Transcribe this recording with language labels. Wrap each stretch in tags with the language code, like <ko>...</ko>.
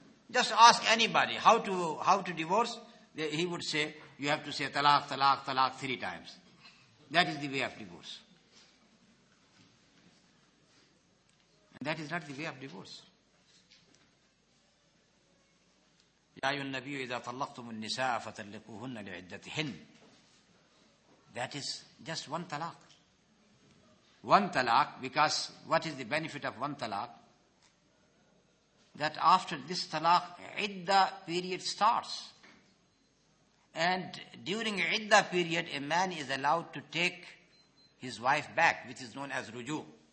<en>Just ask anybody how to divorce, he would say, you have to say talaq, talaq, talaq 3 times. That is the way of divorce. And that is not the way of divorce.</en> <ar>يا أيها النبي إذا طلقتم النساء فطلقوهن لعدتهن.</ar> <en>That is just one talaq. One talaq, because what is the benefit of one talaq? That after this talaq, idda period starts. And during idda period, a man is allowed to take his wife back, which is known as ruju.</en>